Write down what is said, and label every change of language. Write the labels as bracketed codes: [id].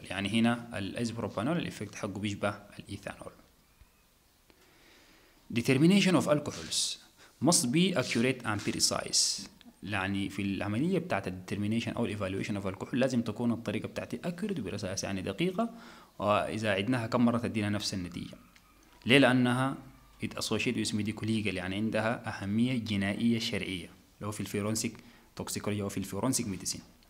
[ar] يعني هنا الإيزوبروبانول الإفكت حقه بيشبه الإيثانول. [en] Determination of alcohols must be accurate and precise. [ar] يعني في العملية بتاعت determination أو [en] evaluation of alcohol [ar] لازم تكون الطريقة بتاعتي accurate وبرصاص يعني دقيقة، وإذا عدناها كم مرة تدينا نفس النتيجة. ليه؟ لأنها [en] it associated with medical legal، [ar] يعني عندها أهمية جنائية شرعية لو في الفيرونسيك توكسيكولوجيا أو في الفيرونسيك ميديسين.